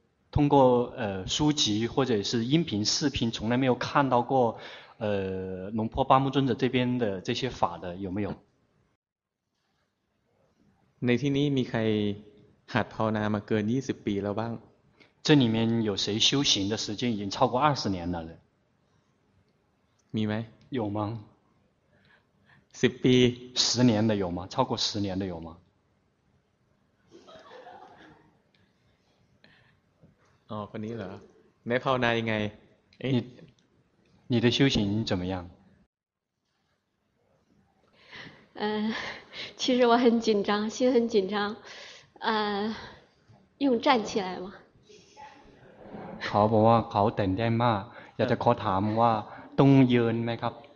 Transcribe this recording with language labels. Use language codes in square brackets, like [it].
[zh] 通过书籍或者是音频视频从来没有看到过龙婆巴木尊者这边的这些法的有没有 [th] ในที่นี้มีใครหัดภาวนามาเกิน20ปีแล้วบ้าง [zh] 这里面有谁修行的时间已经超过20年了呢 [th] มีไหม [zh] 有吗 [th] 10ปี [zh] 10年的有吗超过10年的有吗 [th] 哦คนนี้เหรอในภาวนายังไง [zh] 你的修行怎么样其实我很紧张心很紧张用站起来吗 [th] เขาบอกว่าเขาตื่นเต้นมากอยากจะขอถามว่าต้องยืนไหมครับ